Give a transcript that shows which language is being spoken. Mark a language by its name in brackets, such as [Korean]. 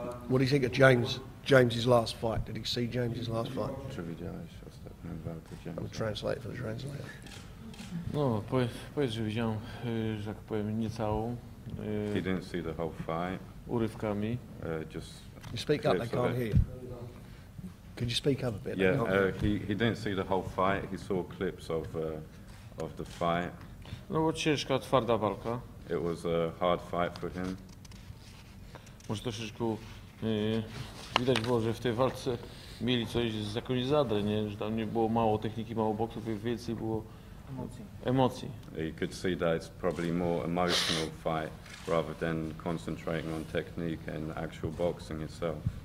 [English] What do you think of James's last fight? Did he see James's last fight? Trivia, I should have known about the James. I'll translate for the translator. [Polish] No, pojeździł, widziałem, że tak powiem, niecałą. [English] He didn't see the whole fight. [Polish] Urywkami. [English] Just. You speak up, they can't hear you. Could you speak up a bit? Yeah, he didn't see the whole fight. He saw clips of the fight. [Polish] No, bo ciężka, twarda walka. [English] It was a hard fight for him. [Polish] Może troszeczkę widać było, że w tej walce mieli coś z jakąś zadrę, nie? Że tam nie było mało techniki, mało boksów, i więcej było emocji. [English] You could see that it's probably more emotional fight rather than concentrating on technique and actual boxing itself.